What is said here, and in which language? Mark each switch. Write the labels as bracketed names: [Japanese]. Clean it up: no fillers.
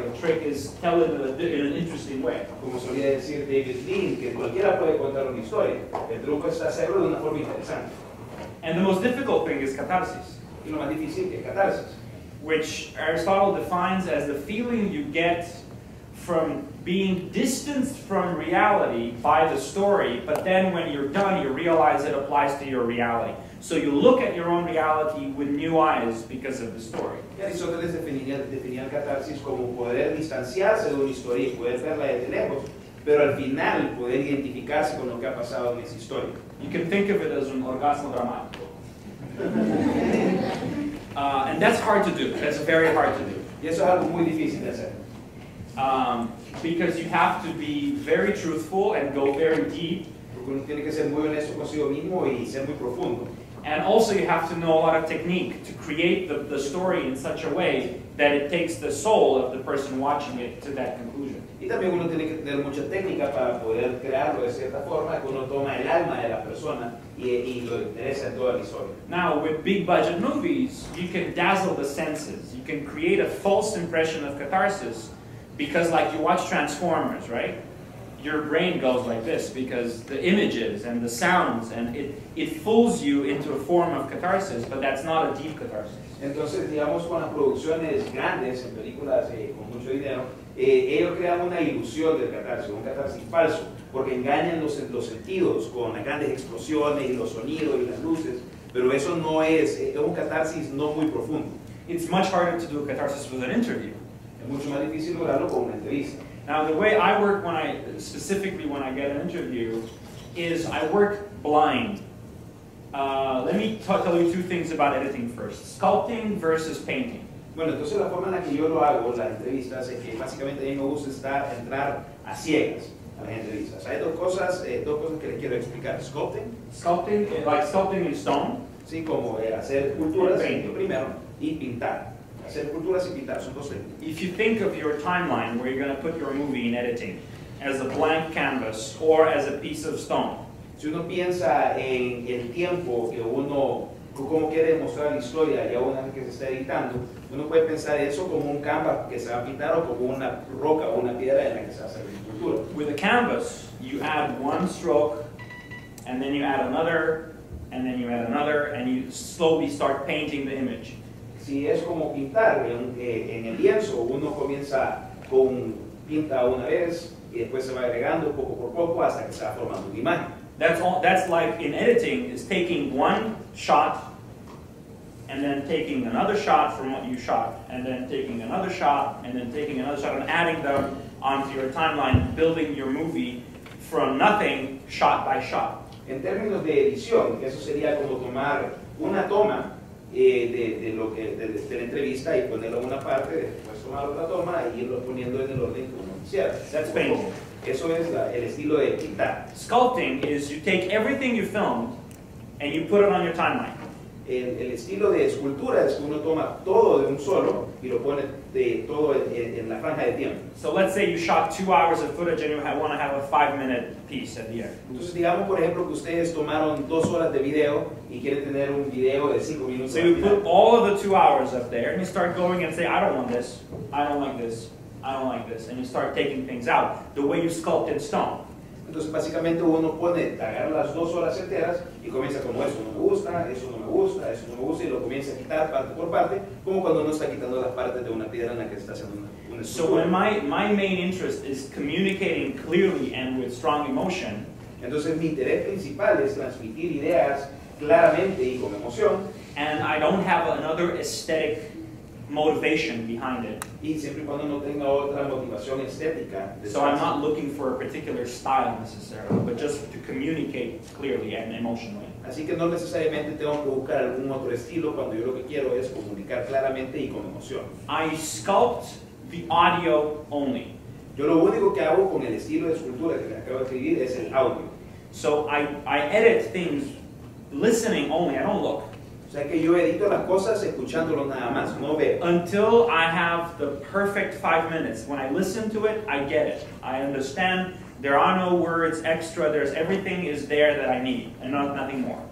[English] The trick is tell it in an interesting way. [Spanish] Como solía decir David Lean, que cualquiera puede contar una historia. El truco es hacerlo de una forma interesante. [English] And the most difficult thing is catharsis. [Spanish] Y lo más difícil es catharsis. [English] Which Aristotle defines as the feeling you get from being distanced from reality by the story, but then when you're done, you realize it applies to your reality. So you look at your own reality with new eyes because of the story. [Spanish] Y Aristóteles definía catharsis como poder distanciarse de una historia y poder verla desde lejos, pero al final poder identificarse con lo que ha pasado en esa historia. [English] You can think of it as an [Spanish] orgasmo dramático. [English] And that's hard to do. That's very hard to do. [Spanish] Y eso es algo muy difícil de hacer. [English] Because you have to be very truthful and go very deep. [Spanish] Porque uno tiene que ser muy honesto consigo mismo y ser muy profundo. [English] And also you have to know a lot of technique to create the story in such a way that it takes the soul of the person watching it to that conclusion. [Spanish] Y también uno tiene que tener mucha técnica para poder crearlo de cierta forma, que uno toma el alma de la persona y lo interesa en toda la historia. [English] Now, with big budget movies, you can dazzle the senses. You can create a false impression of catharsis because, like, you watch Transformers, right? Your brain goes like this because the images and the sounds, and it fools you into a form of catharsis, but that's not a deep catharsis. [Spanish] Entonces, digamos, con las producciones grandes, en películas con mucho dinero, ellos crean una ilusión del catarsis, un catarsis falso, porque engañan los sentidos con las grandes explosiones y los sonidos y las luces, pero eso no es, es un catarsis no muy profundo. [English] It's much harder to do a catharsis with an interview. [Spanish] Es mucho más difícil lograrlo con una entrevista. [English] Now, the way I work specifically when I get an interview is I work blind. Let me tell you two things about editing first. Sculpting versus painting. [Spanish] Bueno, entonces la forma en la que yo lo hago, las entrevistas, es que básicamente a mí me gusta estar, entrar a ciegas a las entrevistas. Hay dos cosas que les quiero explicar. Sculpting. [English] Sculpting, like sculpting in stone. [Spanish] Sí, como hacer esculturas primero y pintar. Hacer esculturas y pintar, son dos técnicas. [English] If you think of your timeline where you're going to put your movie in editing as a blank canvas or as a piece of stone. [Spanish] Si uno piensa en el tiempo que uno, cómo quiere mostrar la historia ya una vez que se está editando, uno puede pensar eso como un canvas que se va a pintar o como una roca o una piedra en la que se va a hacer la escultura. [English] With a canvas, you add one stroke, and then you add another, and then you add another, and you slowly start painting the image. [Spanish] Si es como pintar en el lienzo, uno comienza con pinta una vez, y después se va agregando poco por poco hasta que se va formando una imagen. [English] That's all, that's like in editing, is taking one shot and then taking another shot from what you shot and then taking another shot and then taking another shot and adding them onto your timeline, building your movie from nothing, shot by shot. [Spanish] En términos de edición, eso sería como tomar una toma de la entrevista y ponerla en una parte, después tomar otra toma y irlo poniendo en el orden como quisieras. [English] That's painful. [Spanish] Eso es el estilo de pintar. [English] Sculpting is you take everything you filmed and you put it on your timeline. [Spanish] El estilo de escultura es que uno toma todo de un solo y lo pone de todo en la franja de tiempo. [English] So let's say you shot 2 hours of footage and you want to have a 5-minute piece at the end. [Spanish] Entonces digamos por ejemplo que ustedes tomaron 2 horas de video y quieren tener un video de 5 minutos. [English] So you put all of the 2 hours up there and you start going and say, I don't want this, I don't like this, I don't like this, and you start taking things out the way you sculpt in stone. [Spanish] Entonces básicamente uno puede agarrar las 2 horas enteras y comienza como esto no me gusta, eso no me gusta, eso no me gusta y lo comienza a quitar parte por parte, como cuando uno está quitando las partes de una piedra en la que está haciendo una escultura. [English] So when my main interest is communicating clearly and with strong emotion. [Spanish] Entonces mi interés principal es transmitir ideas claramente y con emoción. [English] And I don't have another aesthetic motivation behind it. [Spanish] Y siempre cuando no tenga otra motivación estética. [English] So I'm not looking for a particular style necessarily, but just to communicate clearly and emotionally. [Spanish] Así que no necesariamente tengo que buscar algún otro estilo cuando yo lo que quiero es comunicar claramente y con emoción. [English] I sculpt the audio only. [Spanish] Yo lo único que hago con el estilo de escultura que acabo de escribir es el audio. [English] So I edit things listening only. I don't look. [Spanish] O sea que yo edito las cosas escuchándolo nada más, no veo. [English] Until I have the perfect 5 minutes. When I listen to it, I get it. I understand. There are no words extra. There's everything is there that I need, and nothing more.